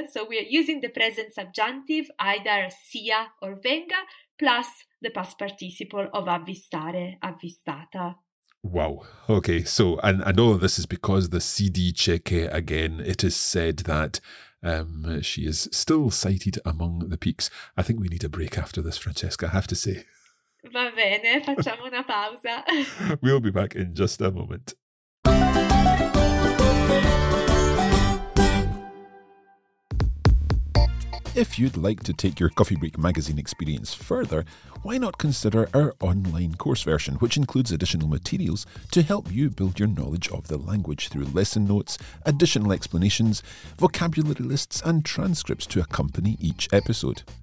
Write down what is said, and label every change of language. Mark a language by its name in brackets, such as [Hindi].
[English] So we are using the present subjunctive, either sia or venga, plus the past participle of avvistare, avvistata. Wow. Okay. So, and all of this is because the [Italian] si dice che, [English] again, it is said that she is still sighted among the peaks. I think we need a break after this, Francesca, I have to say. [Italian] Va bene, facciamo una pausa. [English] We'll be back in just a moment. If you'd like to take your Coffee Break magazine experience further, why not consider our online course version, which includes additional materials to help you build your knowledge of the language through lesson notes, additional explanations, vocabulary lists, and transcripts to accompany each episode.